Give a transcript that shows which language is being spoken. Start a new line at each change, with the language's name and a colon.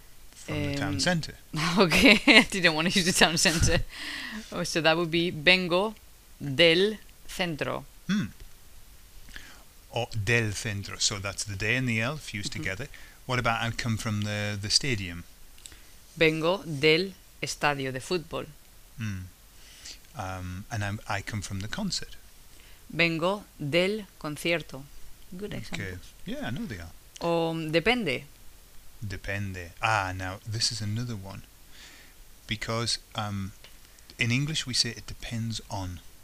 English: from the town centre. Okay, I didn't want to use the town centre. So that would be
Spanish: vengo del centro.
English: Mm. Or del centro. So that's the de and the el fused mm-hmm. together. What about I come from the stadium?
Spanish: Vengo del estadio de fútbol. Mm.
English: And I come from the concert.
Spanish: Vengo del concierto.
English: Good example. Okay. Yeah, I know they are.
Spanish: Depende. Depende.
English: Ah, now, this is another one. Because in English we say it depends on.